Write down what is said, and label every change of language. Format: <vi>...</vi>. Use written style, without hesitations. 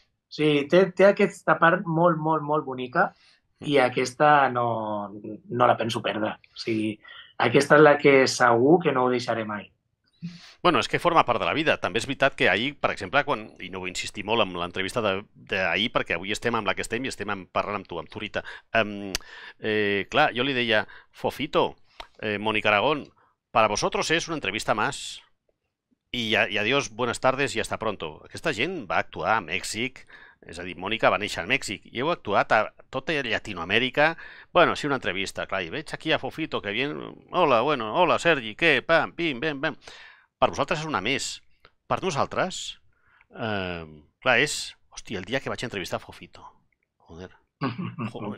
<ca>Sí, té aquesta part molt, molt, molt bonica i aquesta no la penso perdre. O sigui, aquesta és la que segur que no ho deixaré mai. Bueno, és que forma part de la vida. També és veritat que ahir, per exemple, quan, i no vull insistir molt en l'entrevista d'ahir, perquè avui estem amb la que estem i estem en parlant amb tu, amb tu, Rita. Clar, jo li deia,</ca> <es>Fofito, Mónica Aragón, para vosotros es una entrevista más. I adiós, buenas tardes y hasta pronto.</es> <ca>Aquesta gent va actuar a Mèxic, és a dir, Mònica va néixer a Mèxic i heu actuat a tota Llatinoamèrica. Bueno, sí, una entrevista, clar, i veig aquí a Fofito,</ca> <es>que bien,</es> <ca>hola, bueno, hola, Sergi, què, pam, pim, bam, bam. Per vosaltres és una més. Per nosaltres, clar, és... Hòstia, el dia que vaig entrevistar Fofito. Joder. Joder.</ca>